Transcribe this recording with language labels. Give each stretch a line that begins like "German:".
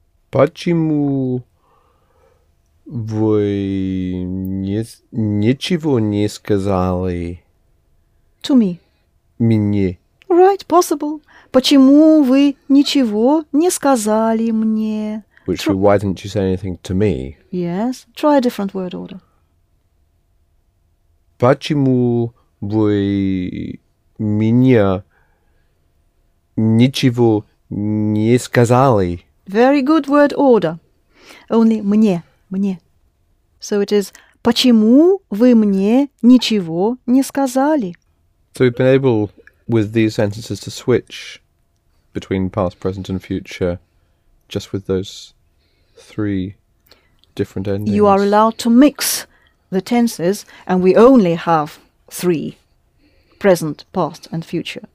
Russian: Почему вы ничего не сказали?
English: To me.
Russian: Мне.
English: Right, possible.
Russian: Почему вы ничего не сказали мне?
English: Which would be, why didn't you say anything to me? Yes, try a different word order.
Russian: Почему вы меня ничего не сказали?
English: Very good word order. Only
Russian: мне, мне.
English: So it is,
Russian: почему вы мне ничего не сказали?
English: So we've been able, with these sentences, to switch between past, present and future, just with those three different endings. You are allowed to mix the tenses, and we only have three, present, past and future.